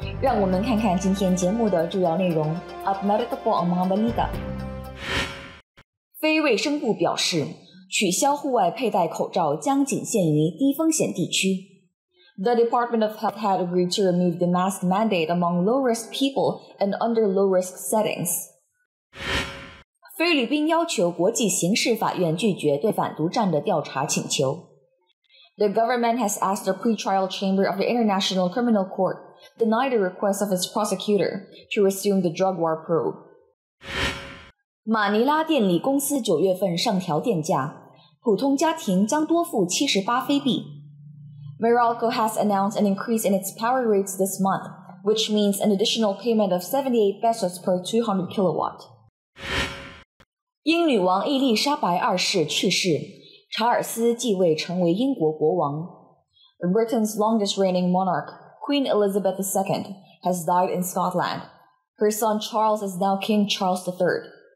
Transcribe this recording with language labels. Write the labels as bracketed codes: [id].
[zh] 让我们看看今天节目的主要内容。 [tl] Up Meralco po ang mga balita。 [zh] 非卫生部表示，取消户外佩戴口罩将仅限于低风险地区。 [en] The Department of Health had agreed to remove the mask mandate among low-risk people and under low-risk settings. [zh] 菲律宾要求国际刑事法院拒绝对反毒战的调查请求。 [en] The government has asked the pretrial chamber of the International Criminal Court deny the request of its prosecutor to resume the drug war probe. [zh] 马尼拉电力公司9月份上调电价，普通家庭将多付78菲币。 [en] Meralco has announced an increase in its power rates this month, which means an additional payment of 78 pesos per 200 kilowatt. [zh] 英女王伊丽莎白二世去世，查尔斯继位成为英国国王。 [en] Britain's longest reigning monarch, Queen Elizabeth II, has died in Scotland. Her son Charles is now King Charles III.